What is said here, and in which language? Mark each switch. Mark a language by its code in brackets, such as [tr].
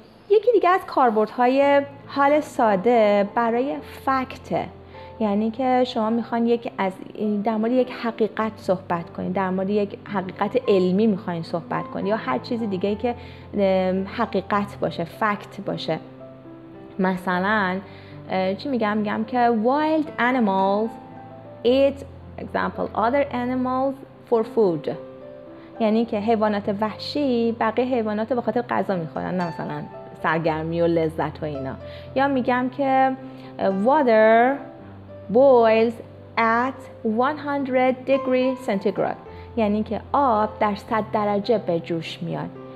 [fa] یکی دیگه از کاربردهای حال ساده برای فکت، یعنی که شما میخواین یک از در مورد یک حقیقت صحبت کنین، در مورد یک حقیقت علمی میخواین صحبت کنین یا هر چیز دیگه که حقیقت باشه، فکت باشه. مثلا چی میگم؟ میگم که [en] wild animals eat example other animals for food. [fa] یعنی که حیوانات وحشی بقیه حیوانات به خاطر غذا میخورن، نه مثلا سرگرمی و لذت و اینا. یا میگم که [en] water boils at 100 degree centigrade. [fa] یعنی که آب در 100 درجه به جوش میاد.